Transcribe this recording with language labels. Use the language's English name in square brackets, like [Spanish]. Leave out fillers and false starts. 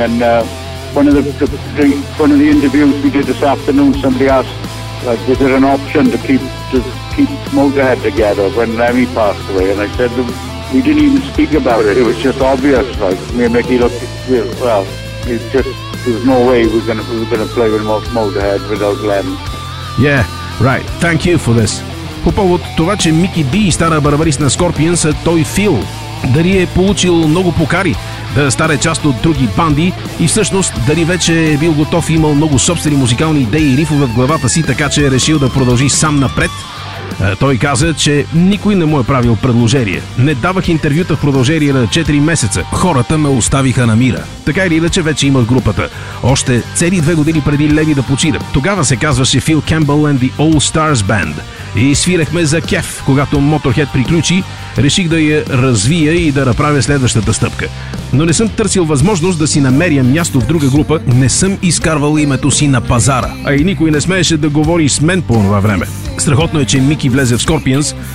[English] And one of the interviews we did this afternoon, somebody asked, like, is it an option to keep Motorhead together when Lemmy passed away? And I said, we didn't even speak about it. It was just obvious. Like, me and Mickey there's no way we're gonna play with Motorhead without Lemmy. Yeah. Right, thank you for this. [Bulgarian] По повод това, че Mickey D стана барабарист на Scorpions, той Фил. Дали е получил много покари да стане част от други банди и всъщност дали вече е бил готов и имал много собствени музикални идеи и рифове в главата си, така че е решил да продължи сам напред? Той каза, че никой не му е правил предложение. Не давах интервюта в продължение на 4 месеца. Хората ме оставиха на мира. Така или иначе, вече имах групата. Още цели 2 години преди Леви да почина. Тогава се казваше Phil Campbell and the All Stars Band. И свирахме за кеф, когато Motorhead приключи. Реших да я развия и да направя следващата стъпка. Но не съм търсил възможност да си намеря място в друга група. Не съм изкарвал името си на пазара. А и никой не смееше да говори с мен по това време. Страхотно е, че Мики влезе в Scorpions.